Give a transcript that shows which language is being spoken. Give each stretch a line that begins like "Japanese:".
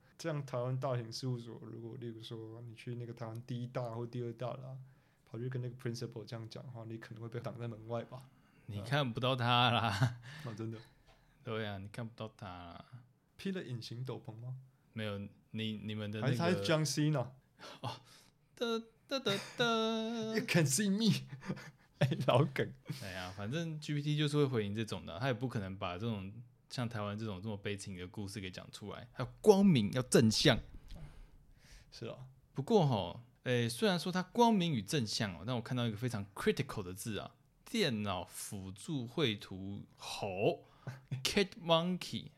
Chinese: 这样台湾大型事务所，如果例如说你去那个台湾第一大或第二大啦，跑去跟那个 principal 这样讲的话，你可能会被挡在门外吧，你看不到他啦、啊、真的，对啊，你看不到他啦，披了隐形斗篷吗？没有，你们的那个，还是他是 John Cena 哦，
English: You can see me，
Chinese: 哎，老梗。哎呀，反正 GPT 就是会回应这种的，他也不可能把这种像台湾这种这么悲情的故事给讲出来，要光明，要正向。是啊，不过哈，欸，虽然说它光明与正向，但我看到一个非常 critical 的字啊，电脑辅助绘图猴 Cat Monkey。